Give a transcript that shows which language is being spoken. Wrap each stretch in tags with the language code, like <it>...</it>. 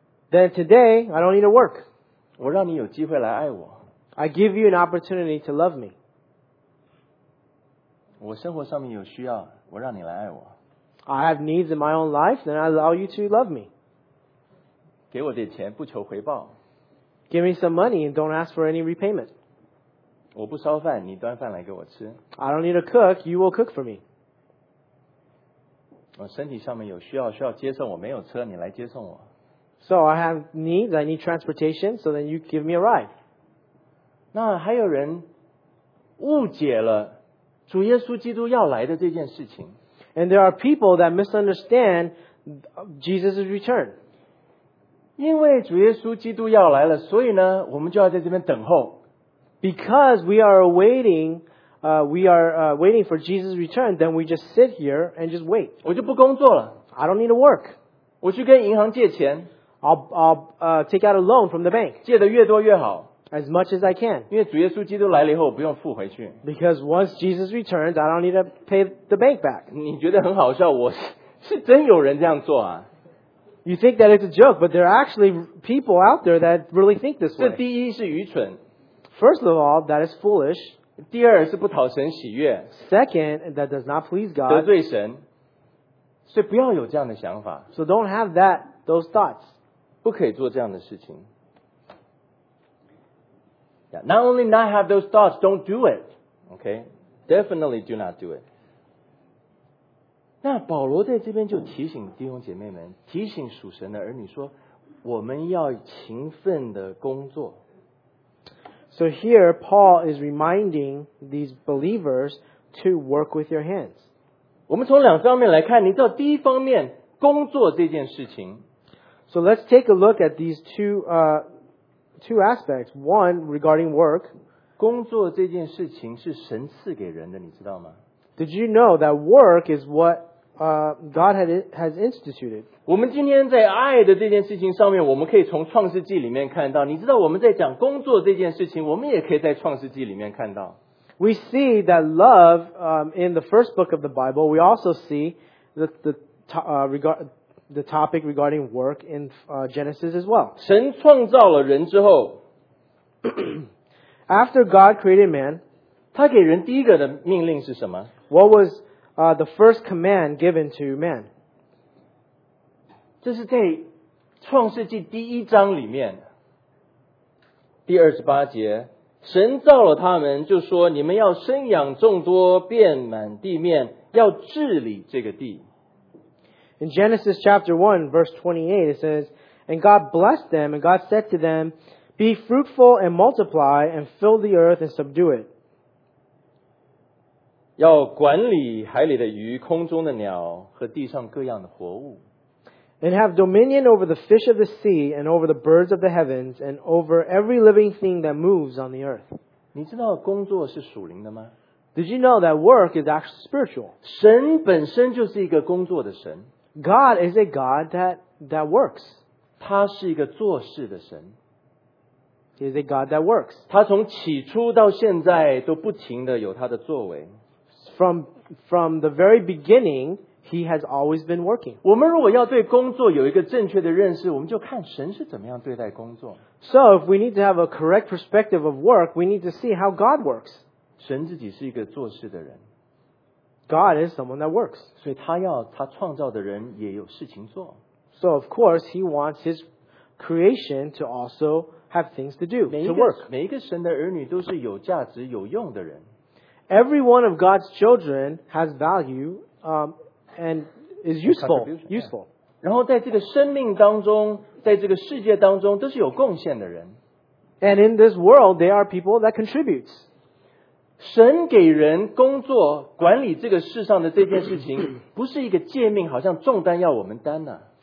<en>Then today, I don't need to work.</en> <zh>我让你有机会来爱我。</zh> <en>I give you an opportunity to love me.</en> <zh>我生活上面有需要，我让你来爱我。</zh> <en>I have needs in my own life, then I allow you to love me.</en> <zh>给我点钱，不求回报。</zh> <en>Give me some money and don't ask for any repayment.</en> <zh>我不烧饭，你端饭来给我吃。</zh> <en>I don't need to cook, you will cook for me.</en> <zh>我身体上面有需要，需要接送，我没有车，你来接送我。</zh> <en>So I have needs, I need transportation, so then you give me a ride.</en> <zh>那还有人误解了主耶稣基督要来的这件事情。</zh> <en>And there are people that misunderstand Jesus' return.</en> <zh>因为主耶稣基督要来了，所以呢，我们就要在这边等候。</zh> <en>Because we are waiting, waiting for Jesus' return, then we just sit here and just wait.</en> <zh>我就不工作了。</zh> <en>I don't need to work.</en> <zh>我去跟银行借钱。</zh> <en>I'll take out a loan from the bank.</en> <zh>借得越多越好。</zh> <en>As much as I can.</en> <zh>因为主耶稣基督来了以后，我不用付回去。</zh> <en>Because once Jesus returns, I don't need to pay the bank back.</en> <zh>你觉得很好笑，我是真有人这样做啊。</zh> <en>You think that it's a joke, but there are actually people out there that really think this way.</en> <zh>这第一是愚蠢。</zh> <en>First of all, that is foolish.</en> <zh>第二是不讨神喜悦。</zh> <en>Second, that does not please God.</en> <zh>得罪神。所以不要有这样的想法。</zh> <en>So don't have those thoughts.</en> <zh>不可以做这样的事情。</zh> <en>Not only not have those thoughts, don't do it. Okay? Definitely do not do it.</en> <zh>那保罗在这边就提醒弟兄姐妹们，提醒属神的儿女说，我们要勤奋的工作。</zh> <en>So here, Paul is reminding these believers to work with your hands.</en> <zh>我们从两方面来看，你知道第一方面，工作这件事情。</zh> <en>So let's take a look at these two aspects. One, regarding work.</en> <zh>工作这件事情是神赐给人的，你知道吗？</zh> <en>Did you know that work is what God has instituted?</en> <zh>我们今天在爱的这件事情上面，我们可以从创世纪里面看到。你知道我们在讲工作这件事情，我们也可以在创世纪里面看到。</zh> <en>We see that love in the first book of the Bible. We also see the topic regarding work in Genesis as well.</en> <zh>神创造了人之后</zh> <en>After God created man,</en> <zh>他给人第一个的命令是什么？</zh> <en>What was the first command given to man?</en> <zh>这是在创世纪第一章里面第二十八节，神造了他们就说，你们要生养众多，遍满地面，要治理这个地。</zh> <en>In Genesis chapter 1, verse 28, it says, And God blessed them, and God said to them, Be fruitful and multiply, and fill the earth and subdue it.</en> <zh>要管理海里的鱼、空中的鸟和地上各样的活物。</zh> <en>And have dominion over the fish of the sea, and over the birds of the heavens, and over every living thing that moves on the earth.</en> <zh>你知道工作是属灵的吗？</zh> <en>Did you know that work is actually spiritual?</en> <zh>神本身就是一个工作的神。</zh> <en>God is a God that works.</en> <zh>他是一个做事的神。</zh> <en>He is a God that works.</en> <zh>他从起初到现在都不停地有他的作为。</zh> <en>From the very beginning, he has always been working.</en> <zh>我们如果要对工作有一个正确的认识，我们就看神是怎么样对待工作。</zh> <en>So if we need to have a correct perspective of work, we need to see how God works.</en> <zh>神自己是一个做事的人。</zh> <en>God is someone that works.</en> <zh>所以他要他创造的人也有事情做。</zh> <en>So of course, he wants his creation to also have things to do, to work.</en> <zh>每一个神的儿女都是有价值、有用的人。</zh> <en>Every one of God's children has value, and is useful. Useful.</en> <zh>然后在这个生命当中，在这个世界当中，都是有贡献的人。</zh> <en>And in this world, there are people that contribute.</en> <zh>神给人工作管理这个世上的这件事情，不是一个诫命，好像重担要我们担呢、啊。</zh>